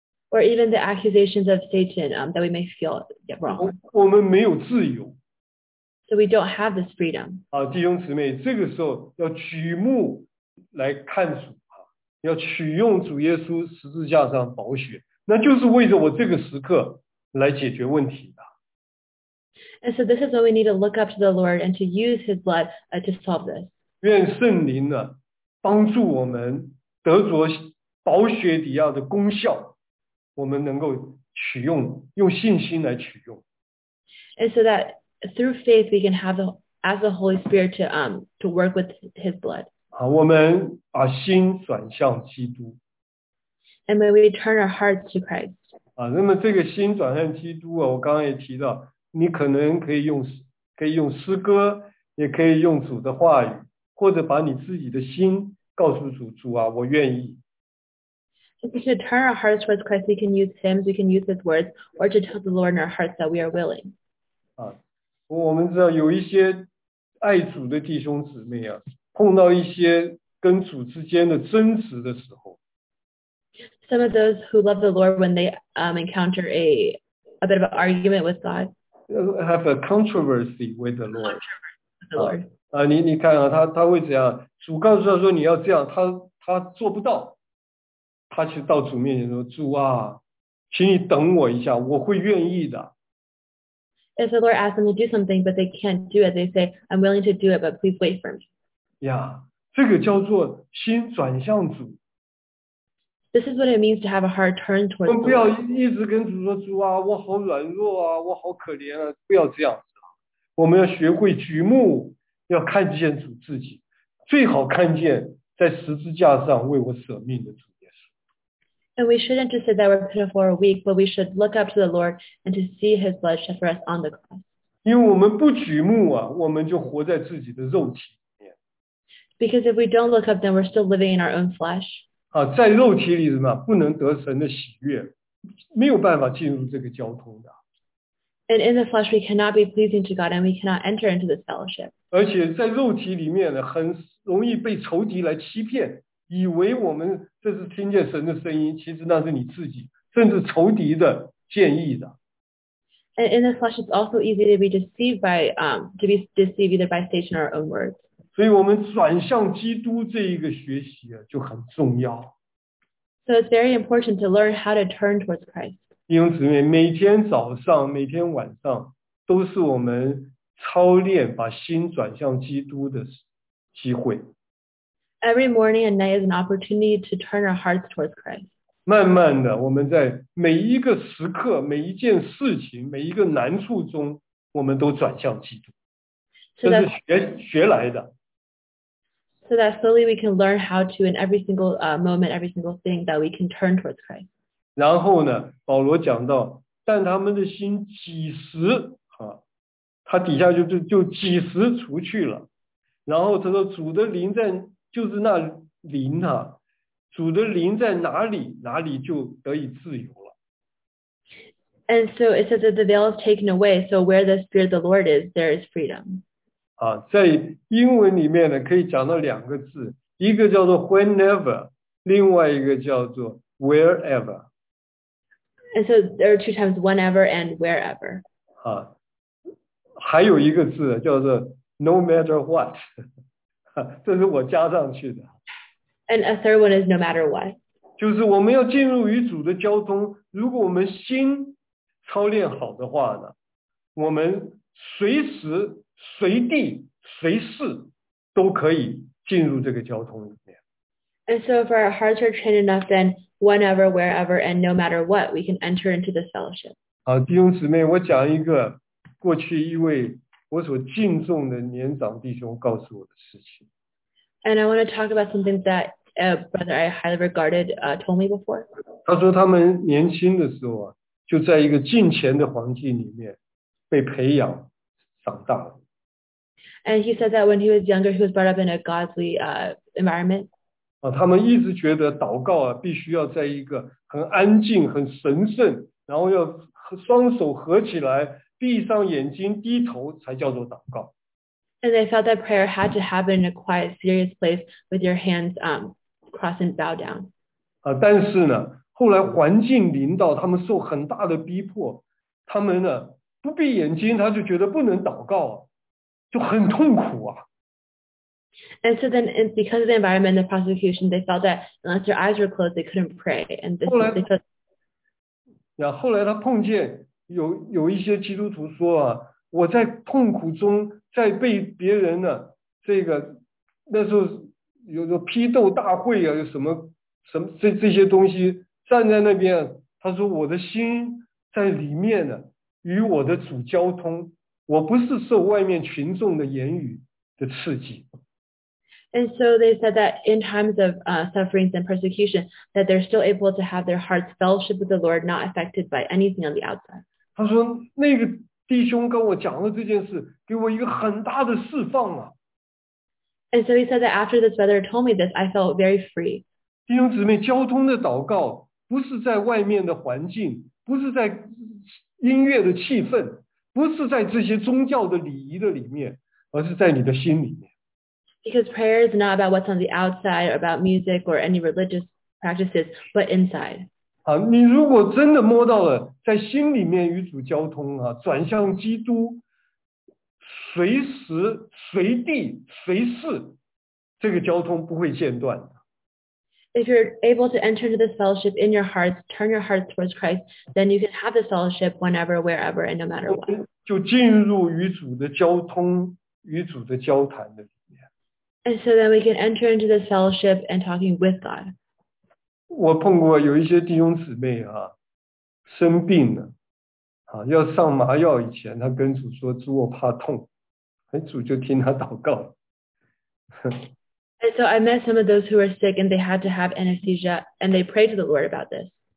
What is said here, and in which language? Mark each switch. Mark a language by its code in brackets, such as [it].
[en] Or even the accusations of Satan, that we may feel wrong. [zh] 我们没有自由。 [en] So we don't have this freedom. [zh] 啊，弟兄姊妹，这个时候要举目来看主啊，要取用主耶稣十字架上宝血，那就是为着我这个时刻来解决问题的。 [en] And so this is when we need to look up to the Lord and to use His blood to solve this. [zh] 愿圣灵呢帮助我们得着宝血底下的功效，我们能够取用，用信心来取用。 [en] And so that through faith we can have ask the Holy Spirit to work with His blood. [zh] 好，我们把心转向基督。 [en] And when we turn our hearts to Christ. [zh] 啊，那么这个心转向基督啊，我刚刚也提到。你可能可以用诗歌，也可以用主的话语，或者把你自己的心告诉主，主啊，我愿意。 [en] If we should turn our hearts towards Christ, we can use hymns, we can use His words, or to tell the Lord in our hearts that we are willing. [zh] 啊，我们知道有一些爱主的弟兄姊妹啊，碰到一些跟主之间的争执的时候。 [en] Some of those who love the Lord when they encounter a bit of an argument with God. Have a controversy with the Lord. Controversy with the Lord. [zh] 你看啊，他会怎样？主告诉他说你要这样，他做不到。他去到主面前说：“主啊，请你等我一下，我会愿意的。” [en] If the Lord asks them to do something, but they can't do it, they say, "I'm willing to do it, but please wait for me." [zh] Yeah, 这个叫做心转向主。 [en] This is what it means to have a heart turned towards God. [zh] 不要一直跟主说主啊，我好软弱啊，我好可怜啊，不要这样子。我们要学会举目，要看见主自己，最好看见在十字架上为我舍命的主耶稣。 [en] And we shouldn't just say that we're pitiful or weak, but we should look up to the Lord and to see His blood shed for us on the cross. [zh] 因为我们不举目啊，我们就活在自己的肉体里面。 [en] Because if we don't look up, then we're still living in our own flesh. [zh] 啊，在肉体里什么不能得神的喜悦，没有办法进入这个交通的。 [en] And in the flesh we cannot be pleasing to God, and we cannot enter into this fellowship. [zh] 而且在肉体里面呢，很容易被仇敌来欺骗，以为我们这是听见神的声音，其实那是你自己，甚至仇敌的建议的。 [en] And in the flesh it's also easy to be deceived by, to be deceived either by Satan or our own words. [zh] 所以我们转向基督这一个学习啊就很重要。 [en] So it's very important to learn how to turn towards Christ. [zh] 弟兄姊妹，每天早上、每天晚上都是我们操练把心转向基督的机会。 [en] every morning and night is an opportunity to turn our hearts towards Christ. [zh] 慢慢的，我们在每一个时刻、每一件事情、每一个难处中，我们都转向基督。这是学来的。 [en] So that slowly we can learn how to, in every single moment, every single thing, that we can turn towards Christ. [zh] 然后呢，保罗讲到，但他们的心几时啊，他底下就几时除去了。然后他说，主的灵在，就是那灵啊，主的灵在哪里，哪里就得以自由了。 [en] And so it says that the veil is taken away, so where the Spirit of the Lord is, there is freedom. [zh] 啊，在英文里面呢，可以讲到两个字，一个叫做 whenever, 另外一个叫做 wherever。 [en] And so there are two times, whenever and wherever. [zh] 啊，还有一个字叫做 [en] no matter what， [zh] 这是我加上去的。 [en] And a third one is no matter what. [zh] 就是我们要进入与主的交通，如果我们心操练好的话呢，我们随时随地随事都可以进入这个交通里面。 [en] And so if our hearts are trained enough, then whenever, wherever, and no matter what, we can enter into this fellowship. [zh] 好，弟兄姊妹，我讲一个过去一位我所敬重的年长弟兄告诉我的事情。 [en] And I want to talk about something that a brother I highly regarded told me before. [zh] 他说他们年轻的时候啊，就在一个敬虔的环境里面被培养长大了。 [en] And he said that when he was younger, he was brought up in a godly environment. [zh] 他们一直觉得祷告啊，必须要在一个很安静、很神圣，然后要双手合起来，闭上眼睛低头，才叫做祷告。 [en] And they felt that prayer had to happen in a quiet, serious place with your hands crossed and bowed down. [zh] 但是呢，后来环境临到，他们受很大的逼迫，他们呢不闭眼睛，他就觉得不能祷告，就很痛苦啊。 [en] And so then, because of the environment and the prosecution, they felt that unless their eyes were closed, they couldn't pray. And this was because. [zh] Yeah, 后来他碰见有一些基督徒说啊，我在痛苦中，在被别人呢，这个那时候有批斗大会啊，有什么这些东西站在那边，他说我的心在里面呢，与我的主交通，我不是受外面群众的言语的刺激。 [en] And so they said that in times of sufferings and persecution, that they're still able to have their hearts fellowship with the Lord, not affected by anything on the outside. [zh] 他说那个弟兄跟我讲了这件事，给我一个很大的释放啊。 [en] And so he said that after this brother told me this, I felt very free. [zh] 弟兄姊妹，交通的祷告不是在外面的环境，不是在音乐的气氛，不是在这些宗教的礼仪的里面，而是在你的心里面。 [en] Because prayer is not about what's on the outside or about music or any religious practices, but inside. [zh] 啊，你如果真的摸到了在心里面与主交通啊，转向基督，随时随地随事，这个交通不会间断。 [en] If you're able to enter into this fellowship in your hearts, turn your hearts towards Christ, then you can have this fellowship whenever, wherever, and no matter what. [zh] 就进入与主的交通，与主的交谈的。 [en] And so then we can enter into this fellowship and talking with God. [zh] 我碰过有一些弟兄姊妹啊，生病了，啊，要上麻药以前，他跟主说：“主，我怕痛。” 哎，主就听他祷告。 [en] And so I met some of those who were sick and they had to have anesthesia and they prayed to the Lord about this.